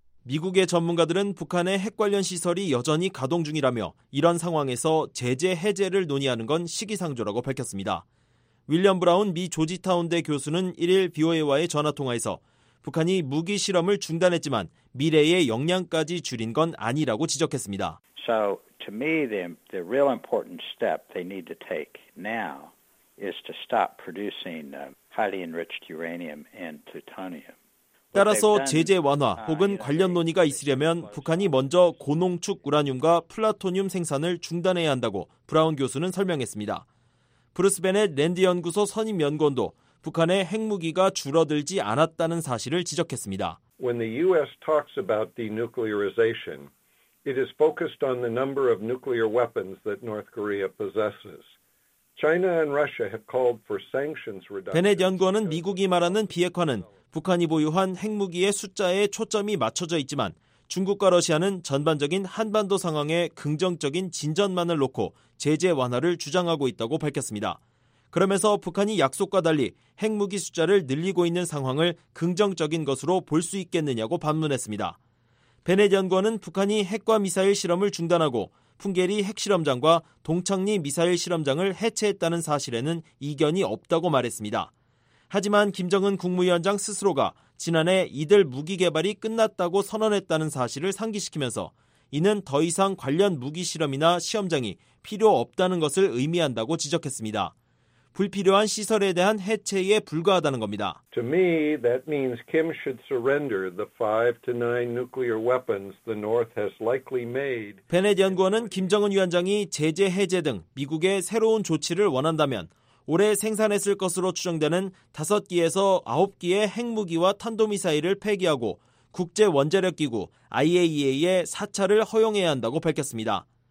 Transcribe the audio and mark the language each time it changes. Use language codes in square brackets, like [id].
[ko] 미국의 전문가들은 북한의 핵 관련 시설이 여전히 가동 중이라며 이런 상황에서 제재 해제를 논의하는 건 시기상조라고 밝혔습니다. 윌리엄 브라운 미 조지타운대 교수는 1일 VOA와의 전화통화에서 북한이 무기 실험을 중단했지만 미래의 역량까지 줄인 건 아니라고 지적했습니다. [en] So to me the real important step they need to take now is to stop producing highly enriched uranium and plutonium. [ko] 따라서 제재 완화 혹은 관련 논의가 있으려면 북한이 먼저 고농축 우라늄과 플루토늄 생산을 중단해야 한다고 브라운 교수는 설명했습니다. 브루스 베넷 랜드 연구소 선임 연구원도 북한의 핵무기가 줄어들지 않았다는 사실을 지적했습니다. [en] When the US talks about denuclearization, it is focused on the number of nuclear weapons that North Korea possesses. China and Russia have called for sanctions reduction. [ko] 베넷 연구원은 미국이 말하는 비핵화는 북한이 보유한 핵무기의 숫자에 초점이 맞춰져 있지만 중국과 러시아는 전반적인 한반도 상황에 긍정적인 진전만을 놓고 제재 완화를 주장하고 있다고 밝혔습니다. 그러면서 북한이 약속과 달리 핵무기 숫자를 늘리고 있는 상황을 긍정적인 것으로 볼 수 있겠느냐고 반문했습니다. 베넷 연구원은 북한이 핵과 미사일 실험을 중단하고 풍계리 핵실험장과 동창리 미사일 실험장을 해체했다는 사실에는 이견이 없다고 말했습니다. 하지만 김정은 국무위원장 스스로가 지난해 이들 무기 개발이 끝났다고 선언했다는 사실을 상기시키면서 이는 더 이상 관련 무기 실험이나 시험장이 필요 없다는 것을 의미한다고 지적했습니다. 불필요한 시설에 대한 해체에 불과하다는 겁니다. [en] To me, that means Kim should surrender the 5 to 9 nuclear weapons the North has likely made. [ko] 베넷 연구원은 김정은 위원장이 제재 해제 등 미국의 새로운 조치를 원한다면 올해 생산했을 것으로 추정되는 5기에서 9기의 핵무기와 탄도미사일을 폐기하고 국제원자력기구 IAEA의 사찰을 허용해야 한다고 밝혔습니다.